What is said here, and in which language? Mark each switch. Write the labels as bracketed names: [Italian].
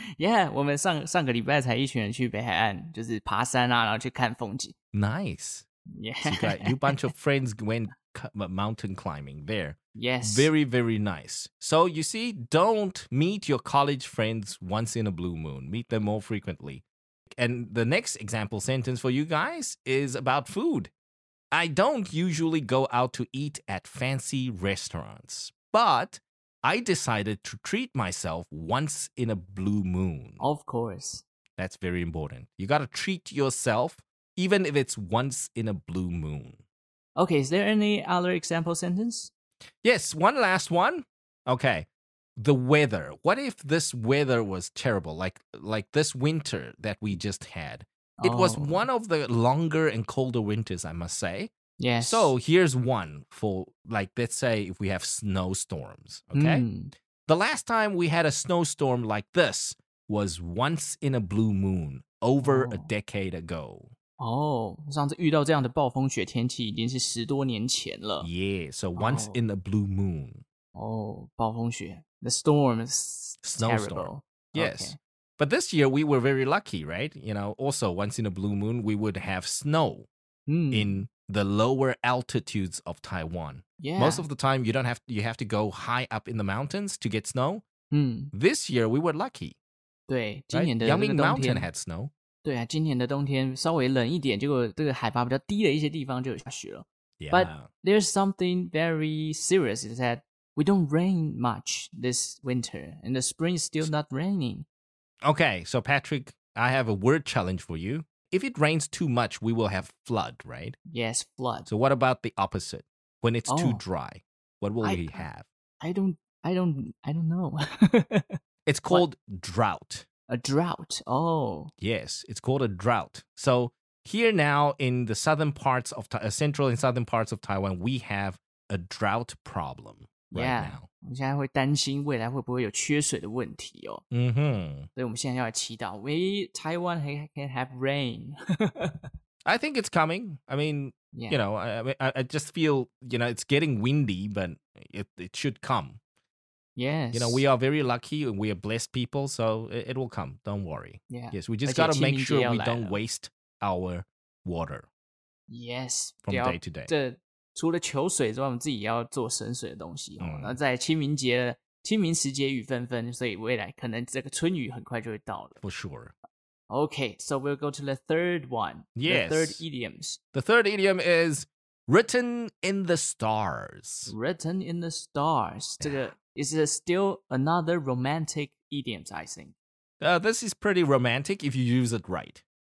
[Chinese] Yeah, 我们上个礼拜才一群人去北海岸，就是爬山啊，然后去看风景。 [English] Nice. Yeah. So you bunch of friends went mountain climbing there. Yes. Very, very nice. So you see, don't meet your college friends once in a blue moon. Meet them more frequently. And the next example sentence for you guys is about food. I don't usually go out to eat at fancy restaurants, but... I decided to treat myself once in a blue moon. Of course. That's very important. You got to treat yourself, even if it's once in a blue moon. Okay, is there any other example sentence? Yes, one last one. Okay, the weather. What if this weather was terrible, like this winter that we just had? It was one of the longer and colder winters, I must say. Yes. So here's one for, like, let's say if we have snowstorms, okay? Mm. The last time we had a snowstorm like this was once in a blue moon over a decade ago. [Chinese] Oh, 上次遇到这样的暴风雪天气已经是十多年前了。 [English] Yeah, so once in a blue moon. Oh, 暴风雪。The storm is terrible. Snowstorm. Yes. Okay. But this year we were very lucky, right? You know, also once in a blue moon we would have snow in... The lower altitudes of Taiwan. Yeah. Most of the time, you have to go high up in the mountains to get snow. Mm. This year, we were lucky. [Chinese] 对，今年的 [English] 冬天。Yangming Mountain had snow. [Chinese] 对啊，今年的冬天稍微冷一点，结果这个海拔比较低的一些地方就有下雪了。 [English] Yeah. But there's something very serious is that we don't rain much this winter, and the spring is still not raining. Okay, so Patrick, I have a word challenge for you. If it rains too much, we will have flood, right? Yes, flood. So what about the opposite? When it's too dry, what will we have? I don't know. It's called drought. A drought. Oh. Yes, it's called a drought. So here now in the southern parts of central and southern parts of Taiwan, we have a drought problem right now. [Chinese] 我现在会担心未来会不会有缺水的问题哦。 Mm-hmm. 所以我们现在要来祈祷 [English] Maybe Taiwan can have rain. I think it's coming. I mean, yeah. You know, I just feel, you know, it's getting windy, but it should come. Yes. You know, we are very lucky and we are blessed people, so it will come. Don't worry. Yeah. Yes, we just got to make sure we don't waste our water. Yes. From day to day. [Chinese] 除了求水之外，我们自己要做省水的东西。然后在清明节，清明时节雨纷纷，所以未来可能这个春雨很快就会到了。 [English] For sure. Okay, so we'll go to the third one. Yes. The third idioms. The third idiom is written in the stars. Written in the stars. Yeah. 这个 is still another romantic idiom, I think. This is pretty romantic if you use it right.